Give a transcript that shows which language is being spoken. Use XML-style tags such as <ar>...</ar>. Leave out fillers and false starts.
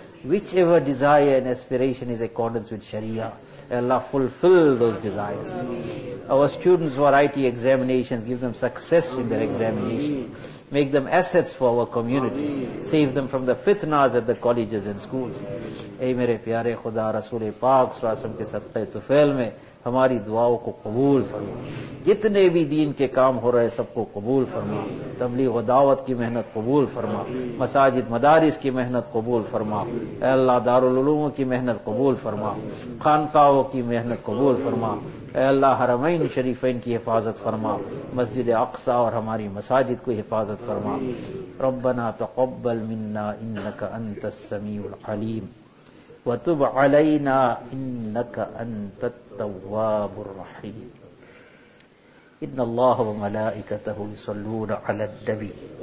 <en>Whichever desire and aspiration is in accordance with Sharia, Allah, fulfill those desires. Our students who are IT examinations, give them success in their examinations. Make them assets for our community. Save them from the fitnas at the colleges and schools.</en> <ur>Ay mere pyare khuda, Rasool Pak Sallallahu Alaihi Wasallam ke sadqe tufail mein ہماری دعاؤں کو قبول فرما, جتنے بھی دین کے کام ہو رہے سب کو قبول فرما, تبلیغ و دعوت کی محنت قبول فرما, مساجد مدارس کی محنت قبول فرما, اے اللہ دارالعلوم کی محنت قبول فرما, خانقاہوں کی محنت قبول فرما, اے اللہ حرمین شریفین کی حفاظت فرما, مسجد اقصی اور ہماری مساجد کو حفاظت فرما.</ur> <ar>ربنا تقبل منا انک انت السمیع العلیم وَتُبْ عَلَيْنَا إِنَّكَ أَنْتَ التَّوَّابُ الرَّحِيمُ إِنَّ اللَّهَ وَمَلَائِكَتَهُ يُصَلُّونَ عَلَى النَّبِيِّ</ar>